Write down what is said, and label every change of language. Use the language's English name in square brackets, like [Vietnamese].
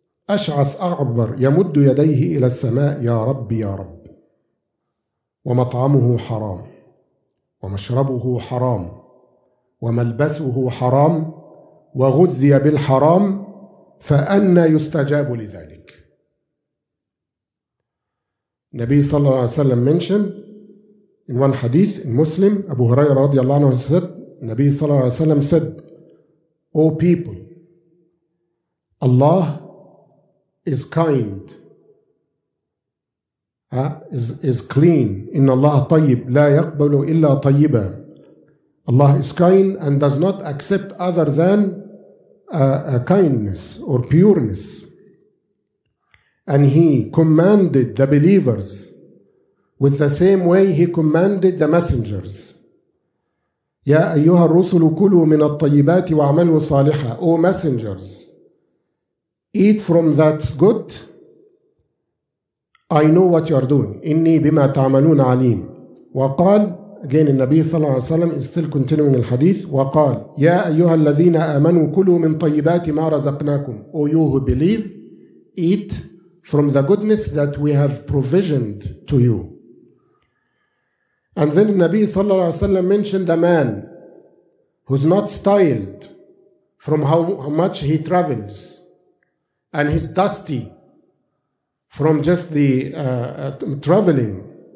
[Arabic] أشعث أغبر يمد يديه إلى السماء, يا رب يا رب, ومطعمه حرام, ومشربه حرام, وملبسه حرام, وغذي بالحرام, فأنى يستجاب لذلك. [English] النبي [Arabic] صلى الله عليه وسلم [English] mentioned in one hadith in Muslim, Abu Huraira [Arabic] radiallahu anhu [English] said, Nabi [Arabic] sallallahu alayhi wa sallam [English] said, O people, Allah is kind, is clean, [Arabic] inna Allah tayyib, la yaqbalu illa tayyiba. [English] Allah is kind and does not accept other than a kindness or pureness. And he commanded the believers with the same way he commanded the messengers. [Arabic] يَا أَيُّهَا الرُّسُلُ كُلُوا مِنَ الطَّيِّبَاتِ وَعْمَلُوا صَالِحًا. [English] O messengers, eat from that good. I know what you are doing. [Arabic] إِنِّي بِمَا تَعْمَلُونَ عَلِيمٌ. وَقَالْ, [English] again the Nabi [Arabic] sallallahu alayhi wa sallam [English] is still continuing the hadith. [Arabic] وقال يا أيها الذين آمنوا كلوا من طيبات ما رزقناكم. [English] O you who believe, eat from the goodness that we have provisioned to you. And then the Nabi [Arabic] sallallahu alayhi wa sallam [English] mentioned a man who's not styled from how much he travels, and he's dusty from just the traveling.